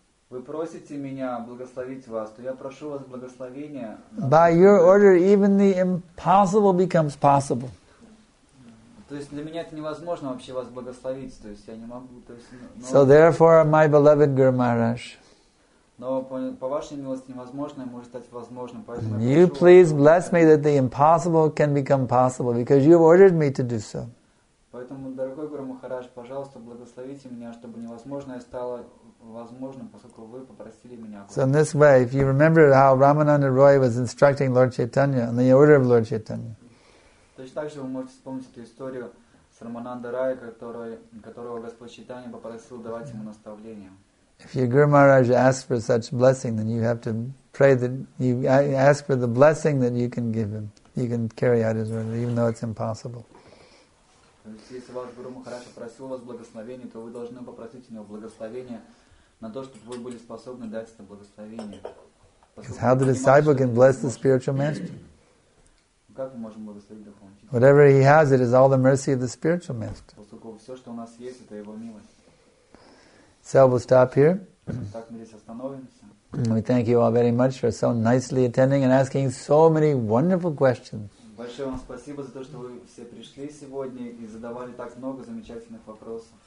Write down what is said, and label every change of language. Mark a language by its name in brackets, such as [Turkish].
[Russian] Вы просите меня благословить вас, то я прошу вас благословения. [English] By your order, even the impossible becomes possible. [Russian] То есть для меня это невозможно вообще вас благословить, то есть я не могу. То есть, но... [English] So therefore, my beloved Guru Maharaj. [Russian] Но по вашей милости невозможное может стать возможным, поэтому. [English] You please bless me that the impossible can become possible because you ordered me to do so. [Russian] Поэтому, дорогой Гуру Махарадж, пожалуйста, благословите меня, чтобы невозможное стало возможным, поскольку вы попросили меня. [English] So in this way, if you remember how Ramananda Roy was instructing Lord Chaitanya on the order of Lord Chaitanya. [Russian] Точно так же вы можете вспомнить эту историю с Рамананда Рая, которого Господь Чайтанья попросил давать ему наставление. [English] If your Guru Maharaj asks for such blessing, then you have to pray that you ask for the blessing that you can give him. You can carry out his order, even though it's impossible. [Russian] Если ваш Гуру Махарадж просил вас благословения, то вы должны попросить у него благословения на то, чтобы вы были способны дать это благословение. [English] Because how the disciple can bless the spiritual master? [Russian] Как мы можем благословить духовного учителя? [English] Whatever he has, it is all the mercy of the spiritual master. [Russian] Поскольку все, что у нас есть, это его милость. [English] So we'll stop here. [Russian] Так мы здесь остановимся. [English] We thank you all very much for so nicely attending and asking so many wonderful questions. [Russian] Большое вам спасибо за то, что вы все пришли сегодня и задавали так много замечательных вопросов.